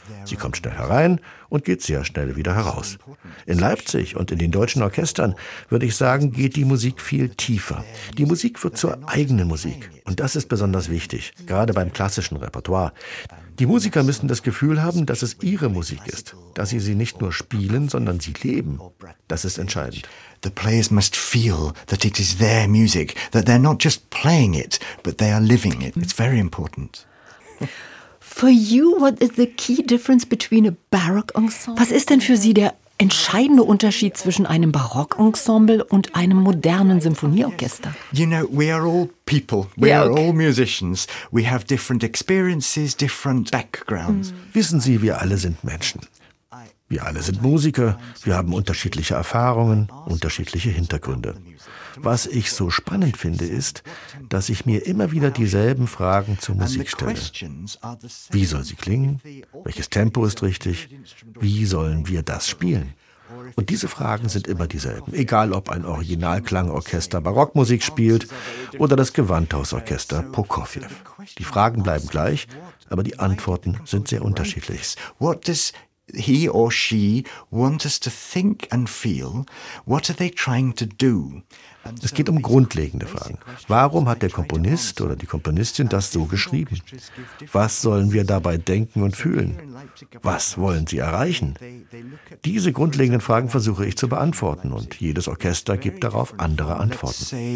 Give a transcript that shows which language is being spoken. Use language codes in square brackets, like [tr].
[de] Sie kommt schnell herein und geht sehr schnell wieder heraus. In Leipzig und in den deutschen Orchestern, würde ich sagen, geht die Musik viel tiefer. Die Musik wird zur eigenen Musik. Und das ist besonders wichtig, gerade beim klassischen Repertoire. Die Musiker müssen das Gefühl haben, dass es ihre Musik ist, dass sie sie nicht nur spielen, sondern sie leben. Das ist entscheidend. [en] The players must feel that it is their music, that they're not just playing it, but they are living it. It's very important. For you, what is the key difference between a baroque ensemble? [de] Was ist denn für Sie der entscheidende Unterschied zwischen einem Barockensemble und einem modernen Symphonieorchester? [en] You know, we are all people. We are all musicians. We have different experiences, different backgrounds. [de] Wissen Sie, wir alle sind Menschen. Wir alle sind Musiker. Wir haben unterschiedliche Erfahrungen, unterschiedliche Hintergründe. Was ich so spannend finde, ist, dass ich mir immer wieder dieselben Fragen zur Musik stelle. Wie soll sie klingen? Welches Tempo ist richtig? Wie sollen wir das spielen? Und diese Fragen sind immer dieselben, egal ob ein Originalklangorchester Barockmusik spielt oder das Gewandhausorchester Prokofjew. Die Fragen bleiben gleich, aber die Antworten sind sehr unterschiedlich. [en] What does he or she want us to think and feel? What are they trying to do? [de] Es geht um grundlegende Fragen. Warum hat der Komponist oder die Komponistin das so geschrieben? Was sollen wir dabei denken und fühlen? Was wollen sie erreichen? Diese grundlegenden Fragen versuche ich zu beantworten und jedes Orchester gibt darauf andere Antworten.